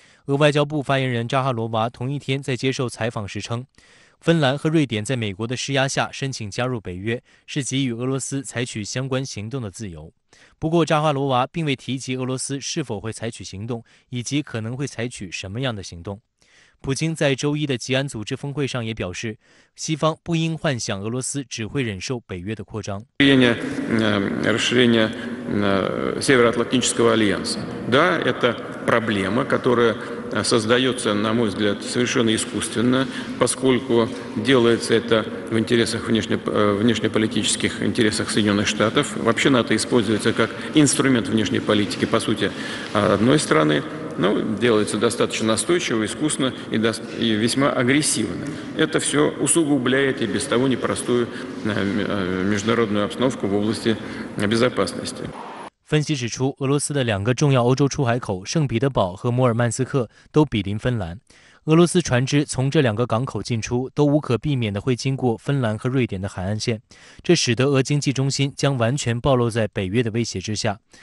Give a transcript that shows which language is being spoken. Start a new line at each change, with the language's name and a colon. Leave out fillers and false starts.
Chinese: 俄外交部发言人扎哈罗娃同一天在接受采访时称，芬兰和瑞典在美国的施压下申请加入北约，是给予俄罗斯采取相关行动的自由。不过扎哈罗娃并未提及俄罗斯是否会采取行动，以及可能会采取什么样的行动。普京在周一的吉安组织峰会上也表示，西方不应幻想俄罗斯只会忍受北约的扩张。
Russian: расширение Североатлантического альянса, да, это проблема, которая создается, на мой взгляд, совершенно искусственно, поскольку делается это в интересах внешнеполитических интересах Соединенных Штатов. Вообще НАТО используется как инструмент внешней политики, по сути, одной страны. Ну, делается достаточно настойчиво, искусно и весьма агрессивно. Это все усугубляет и без того непростую международную обстановку в области безопасности.
Chinese: 分析指出，俄罗斯的两个重要欧洲出海口圣彼得堡和摩尔曼斯克都毗邻芬兰。俄罗斯船只从这两个港口进出，都无可避免地会经过芬兰和瑞典的海岸线，这使得俄经济中心将完全暴露在北约的威胁之下。